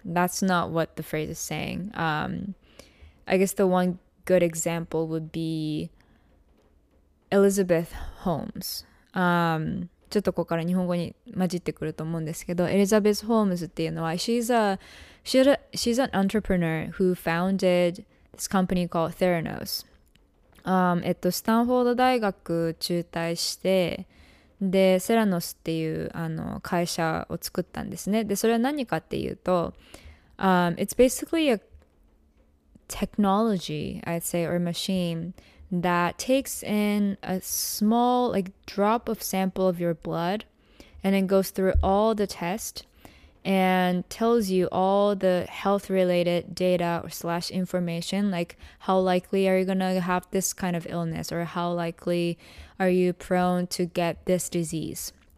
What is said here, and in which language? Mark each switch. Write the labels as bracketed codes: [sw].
[en] That's not what the phrase is saying. I guess the one good example would be Elizabeth Holmes. [ja] ちょっとここから日本語に混じってくると思うんですけど、Elizabeth Holmes っていうのは、 [en] she's a She's an entrepreneur who founded this company called Theranos. [ja] スタンフォード大学中退して、で、セラノスっていうあの会社を作ったんですね。で、それは何かっていうと、 [en] It's basically a technology, I'd say, or machine that takes in a small, like, drop of sample of your blood and then goes through all the tests and tells you all the health-related data or slash information, like how likely are you going to have this kind of illness or how likely are you prone to get this disease.